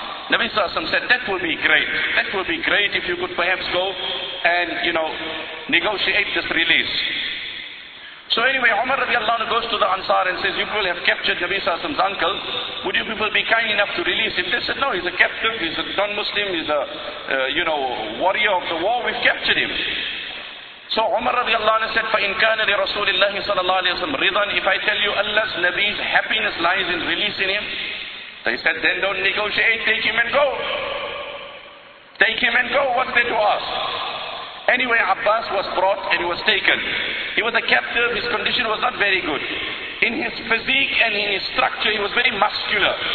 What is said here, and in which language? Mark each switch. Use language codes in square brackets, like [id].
[en] Nabi sallallahu alayhi wa sallam said, that will be great if you could perhaps go and, you know, negotiate this release. So anyway, Umar radiallahu anhu goes to the Ansar and says, you people have captured Nabi sallallahu alayhi wa sallam's uncle. Would you people be kind enough to release him? They said, no, he's a captive, he's a non-Muslim, he's a, you know, warrior of the war, we've captured him. [ar] So Umar radiallahu anhu said, فَإِنْ كَانَ لِرَسُولِ اللَّهِ صَلَى اللَّهِ عَلَيْهِ وَسَلَّمَ رِضًا. [en] If I tell you Allah's Nabi's happiness lies in releasing him, they said, then don't negotiate, take him and go. Take him and go, what's there to ask? Anyway, Abbas was brought and he was taken. He was a captive, his condition was not very good. In his physique and in his structure, he was very muscular.